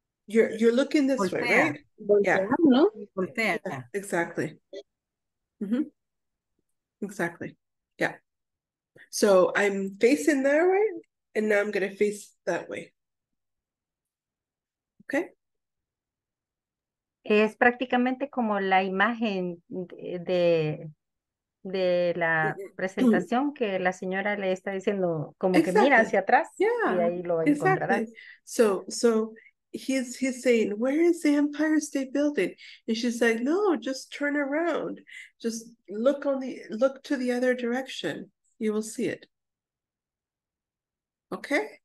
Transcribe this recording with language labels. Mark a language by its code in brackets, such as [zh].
[en] You're looking this way, right? Yeah. No. Exactly. Mm-hmm. Exactly. Yeah. So I'm facing that way, and now I'm going to face that way. Okay. [es] Es prácticamente como la imagen de la presentación que la señora le está diciendo, como [en] exactly. [es] que mira hacia atrás, [en] yeah. [es] y ahí lo encontrará. [en] So he's saying, where is the Empire State Building? And she's like, no, just turn around. Just look to the other direction. You will see it. Okay?